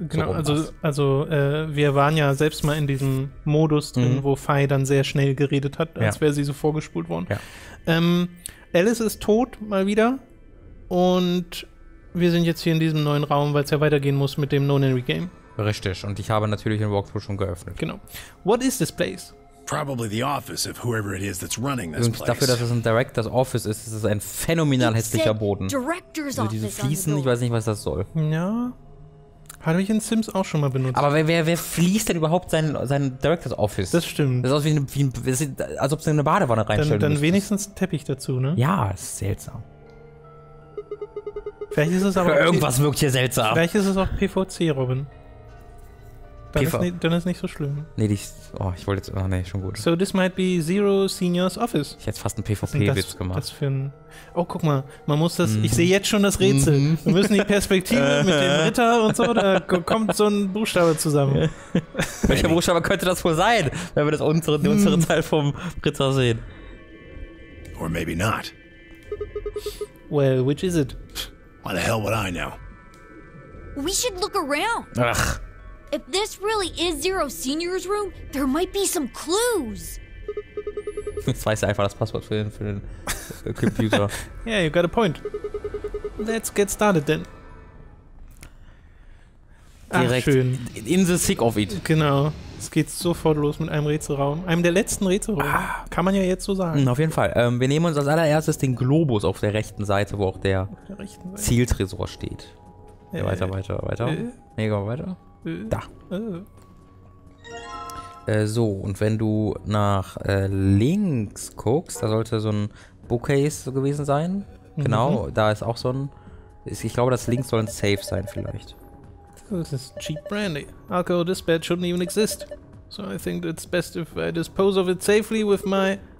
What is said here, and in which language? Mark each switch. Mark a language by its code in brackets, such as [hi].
[de] Genau, so wir waren ja selbst mal in diesem Modus drin, wo Fei dann sehr schnell geredet hat, als wäre sie so vorgespult worden. Ja. Alice ist tot, mal wieder, und wir sind jetzt hier in diesem neuen Raum, weil es ja weitergehen muss mit dem Non-Henry-Game. Richtig, und ich habe natürlich den Walkthrough schon geöffnet. Genau. [en] What is this place? Probably the office of whoever it is that's running this place. [de] Dafür, dass es ein Director's Office ist, ist es ein phänomenal hässlicher Boden. Also diese Fliesen, ich weiß nicht, was das soll. Ja, habe ich in Sims auch schon mal benutzt. Aber wer fließt denn überhaupt sein Director's Office? Das stimmt. Das ist als ob sie eine Badewanne reinstellen müssen. Dann wenigstens einen Teppich dazu, ne? Ja, ist seltsam. Vielleicht ist es aber irgendwas wirkt hier seltsam. Vielleicht ist es auch PVC, Robin. Dann ist nicht so schlimm. Nee, ich wollte jetzt... Oh, nee, schon gut. [en] So, this might be Zero Senior's Office. [de] Ich hätte fast einen PvP-Witz gemacht. Das für ein... Oh, guck mal, man muss das... Mm. Ich sehe jetzt schon das Rätsel. Mm. Wir müssen die Perspektive mit dem Ritter und so, da kommt so ein Buchstabe zusammen. Welcher Buchstabe könnte das wohl sein, wenn wir das unsere Teil vom Ritter sehen? [en] Or maybe not. Well, which is it? Why the hell would I know? We should look around. [de] Ach... [en] If this really is Zero Senior's room, there might be some clues. [de] Jetzt weiß er einfach das Passwort für den Computer. [en] Yeah, you got a point. Let's get started then. [de] Direkt. Ach, schön. [en] In the thick of it. [de] Genau. Es geht sofort los mit einem Rätselraum. Einem der letzten Rätselräume. Ah. Kann man ja jetzt so sagen. Auf jeden Fall. Wir nehmen uns als allererstes den Globus auf der rechten Seite, wo auch der Zieltresor steht. Ja, weiter. Mega, weiter. Da. So, und wenn du nach links guckst, da sollte so ein Bookcase gewesen sein. Genau, da ist auch so ein... Ich glaube, das links soll ein Safe sein vielleicht. Das ist [en] cheap brandy. Alcohol dispatch shouldn't even exist. So I think it's best if I dispose of it safely with my...